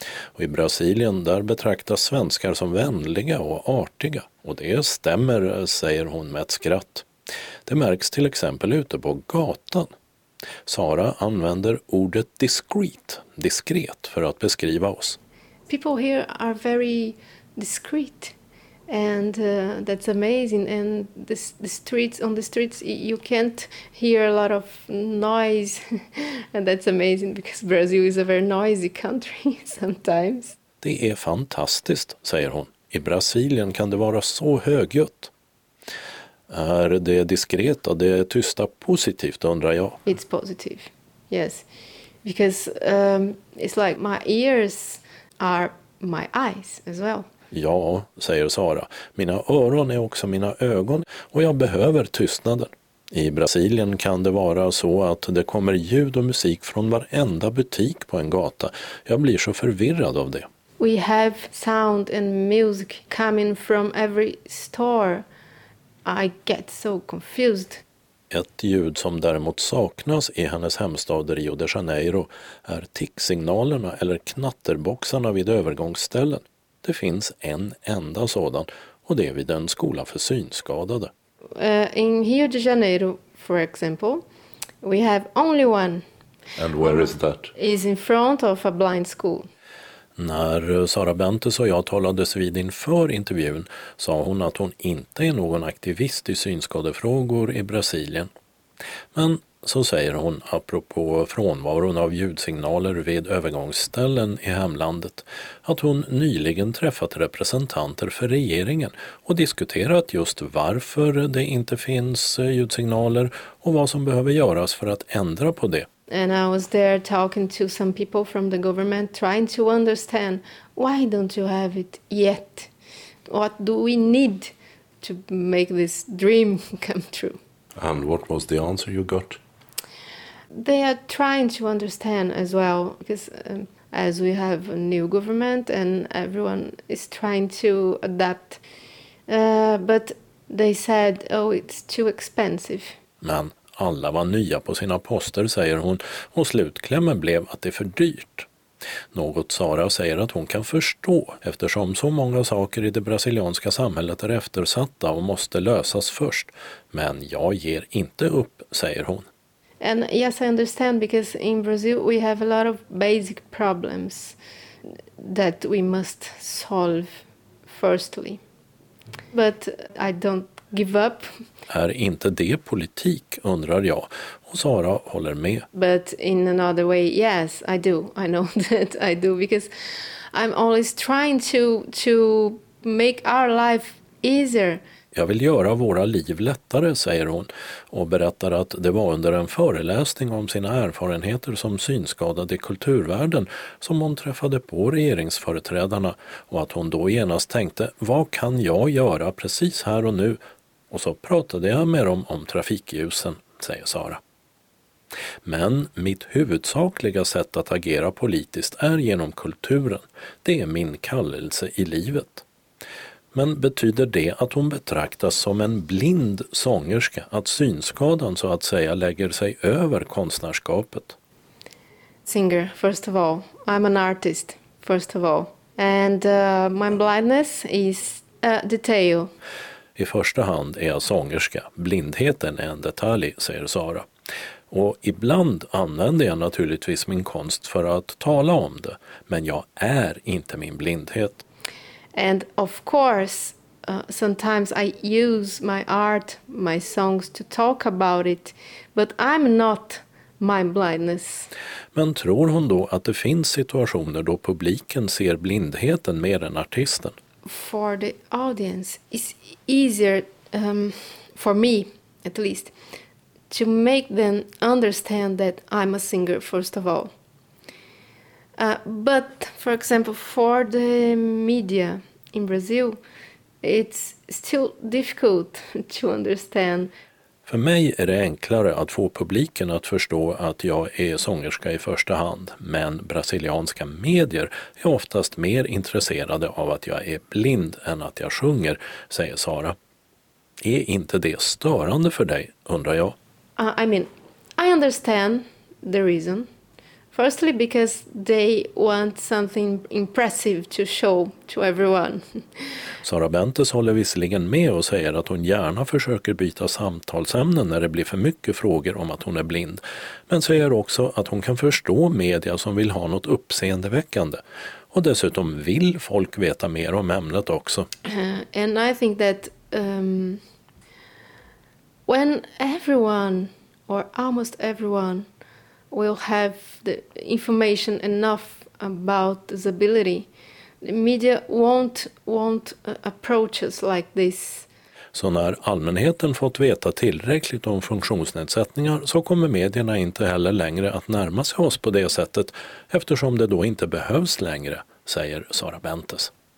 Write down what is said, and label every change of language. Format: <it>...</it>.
<sv>Och i Brasilien där betraktas svenskar som vänliga och artiga. Och det stämmer, säger hon med ett skratt. Det märks till exempel ute på gatan. Sara använder ordet diskret för att beskriva oss.</sv> <en>People here are very discreet and that's amazing. And the streets you can't hear a lot of noise and that's amazing because Brazil is a very noisy country sometimes.</en> <sv>Det är fantastiskt, säger hon. I Brasilien kan det vara så högljutt. Är det diskret och det tysta positivt, undrar jag.</sv> <en>It's positive, yes. Because it's like my ears are my eyes as well.</en> <sv>Ja, säger Sara. Mina öron är också mina ögon och jag behöver tystnaden. I Brasilien kan det vara så att det kommer ljud och musik från varenda butik på en gata. Jag blir så förvirrad av det.</sv> <en>We have sound and music coming from every store. I get so confused.</en> <sv>Ett ljud som däremot saknas i hennes hemstad Rio de Janeiro är ticksignalerna eller knatterboxarna vid övergångsställen. Det finns en enda sådan och det är vid en skola för synskadade.</sv> <en>In Rio de Janeiro, for example, we have only one. And where is that? Is in front of a blind school.</en> <sv>När Sara Bentes och jag talades vid inför intervjun sa hon att hon inte är någon aktivist i synskadefrågor i Brasilien. Men så säger hon apropå frånvaron av ljudsignaler vid övergångsställen i hemlandet att hon nyligen träffat representanter för regeringen och diskuterat just varför det inte finns ljudsignaler och vad som behöver göras för att ändra på det.</sv> <en>And I was there talking to some people from the government trying to understand why don't you have it yet? What do we need to make this dream come true? And what was the answer you got? They are trying to understand as well because as we have a new government and everyone is trying to adapt. But they said, oh, it's too expensive.</en> <sv>Men alla var nya på sina poster, säger hon, och slutklämmen blev att det är för dyrt. Något Sara säger att hon kan förstå, eftersom så många saker i det brasilianska samhället är eftersatta och måste lösas först. Men jag ger inte upp, säger hon.</sv> <en>And yes, I understand, because in Brazil we have a lot of basic problems that we must solve firstly. But I don't give up.</en> <sv>Är inte det politik, undrar jag. Och Sara håller med.</sv> <en>But in another way, yes, I do. I know that I do because I'm always trying to make our life easier.</en> <sv>Jag vill göra våra liv lättare, säger hon och berättar att det var under en föreläsning om sina erfarenheter som synskadad i kulturvärlden som hon träffade på regeringsföreträdarna och att hon då genast tänkte, vad kan jag göra precis här och nu? Och så pratade jag med dem om trafikljusen, säger Sara. Men mitt huvudsakliga sätt att agera politiskt är genom kulturen. Det är min kallelse i livet. Men betyder det att hon betraktas som en blind sångerska, att synskadan så att säga lägger sig över konstnärskapet?</sv> <en>Singer, first of all, I'm an artist, first of all. And my blindness is a detail.</en> <sv>I första hand är jag sångerska. Blindheten är en detalj, säger Sara. Och ibland använder jag naturligtvis min konst för att tala om det, men jag är inte min blindhet.</sv> <en>And of course, sometimes I use my art, my songs to talk about it, but I'm not my blindness.</en> <sv>Men tror hon då att det finns situationer då publiken ser blindheten mer än artisten?</sv> <en>For the audience, it's easier, for me at least, to make them understand that I'm a singer, first of all. But, for example, for the media in Brazil, it's still difficult to understand.</en> <sv>För mig är det enklare att få publiken att förstå att jag är sångerska i första hand, men brasilianska medier är oftast mer intresserade av att jag är blind än att jag sjunger, säger Sara. Är inte det störande för dig, undrar jag.</sv> <en>I understand the reason. Firstly, because they want something impressive to show to everyone.</en> <sv>Sara Bentes håller visserligen med och säger att hon gärna försöker byta samtalsämnen när det blir för mycket frågor om att hon är blind. Men säger också att hon kan förstå media som vill ha något uppseendeväckande. Och dessutom vill folk veta mer om ämnet också.</sv> <en>And I think that when everyone or almost everyone will have the information enough about disability, the media won't approach us like this.</en> <sv>Så när allmänheten fått veta tillräckligt om funktionsnedsättningar så kommer medierna inte heller längre att närma sig oss på det sättet, eftersom det då inte behövs längre, säger Sara Bentes.</sv>